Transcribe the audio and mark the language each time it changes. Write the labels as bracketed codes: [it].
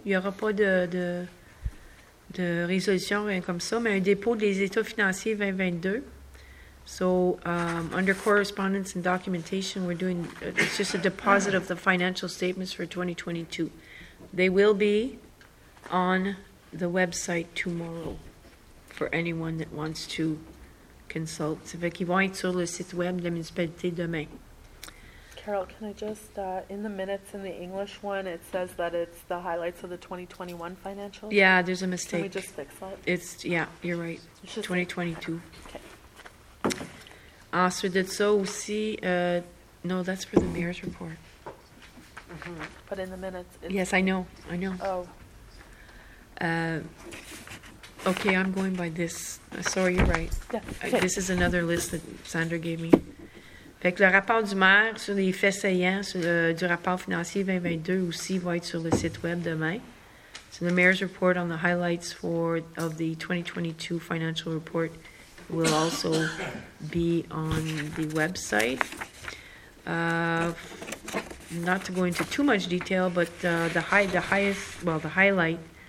[fr] Il n'y aura pas de résolution, rien comme ça, mais un dépôt des états financiers 2022. [en] So, under correspondence and documentation, we're doing, it's just a deposit of the financial statements for 2022. They will be on the website tomorrow for anyone that wants to consult. [fr] Ça fait qu'ils vont être sur le site web de la municipalité demain. [en] Carol, can I just, in the minutes in the English one, it says that it's the highlights of the 2021 financials? Yeah, there's a mistake. Can we just fix that? It's, yeah, you're right. It's 2022. Okay. [fr] Ensuite de ça aussi, [en] no, that's for the mayor's report. Mm-hmm. But in the minutes. Yes, I know. Oh. Okay, I'm going by this. Sorry, you're right. Yeah. Okay. This is another list that Sandra gave me. [fr] Fait que le rapport du maire sur les faits saillants du rapport financier 2022 aussi va être sur le site web demain. [en] So the mayor's report on the highlights of the 2022 financial report will also be on the website. Not to go into too much detail, but the highlight.